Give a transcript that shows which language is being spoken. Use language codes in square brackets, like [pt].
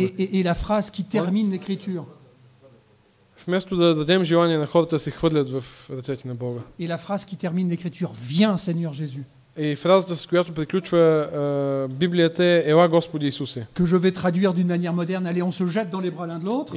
[fr] Et la phrase qui termine l'écriture. [bg] Вместо да дадем желание на хората да се хвърлят в ръцете на Бога. [fr] Et la phrase qui termine l'écriture, viens Seigneur Jésus. [bg] И фразата, с която приключва Библията, ела Господи Исусе. [fr] Que je vais traduire d'une manière moderne, allez on se jette dans les bras l'un de l'autre.